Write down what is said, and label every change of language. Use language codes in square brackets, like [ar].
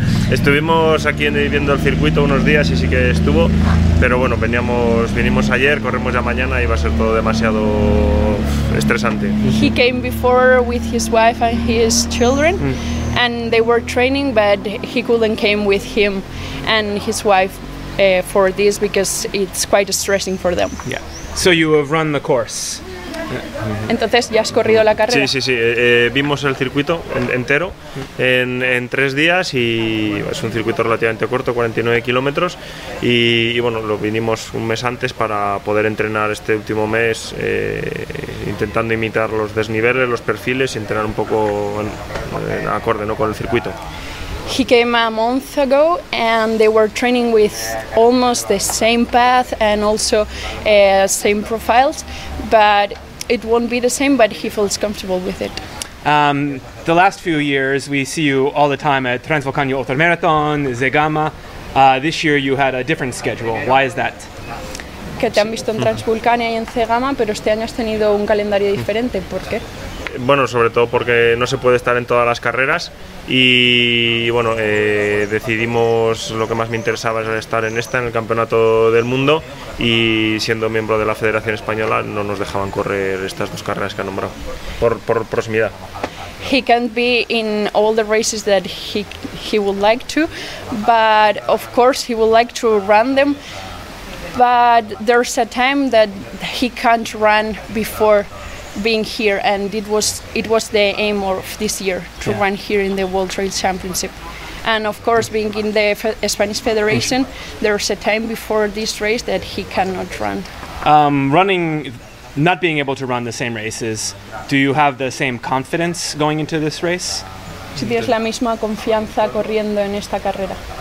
[es] Estuvimos aquí viendo el circuito unos días y sí que estuvo, pero bueno, vinimos ayer, corremos ya mañana y va a ser todo demasiado estresante. [en] He came before with his wife and his children and they were training, but he couldn't came with him and his wife for this because it's quite stressing for them. Yeah. So you have run the course. [es] Entonces ya has corrido la carrera. Sí. Vimos el circuito entero en 3 días y es un circuito relativamente corto, 49 kilómetros. Y bueno, lo vinimos un mes antes para poder entrenar este último mes, intentando imitar los desniveles, los perfiles y entrenar un poco en acorde, ¿no?, con el circuito. [en] He came a month ago and they were training with almost the same path and also same profiles, but it won't be the same, but he feels comfortable with it. The last few years we see you all the time at Transvolcano Ultramarathon, Zegama. This year you had a different schedule. Why is that? [es] Que te han visto en Transvulcania y en Zegama, pero este año has tenido un calendario diferente. ¿Por qué? Bueno, sobre todo porque no se puede estar en todas las carreras y bueno, decidimos, lo que más me interesaba es estar en esta, en el campeonato del mundo, y siendo miembro de la Federación Española no nos dejaban correr estas dos carreras que ha nombrado, por proximidad. [en] He can't be in all the races that he would like to, but of course he would like to run them, but there's a time that he can't run before being here, and it was the aim of this year to run here in the World Trail Championship, and of course being in the Spanish Federation, there's a time before this race that he cannot run. Running, not being able to run the same races, do you have the same confidence going into this race? [es] ¿Si tienes la misma confianza corriendo en esta carrera?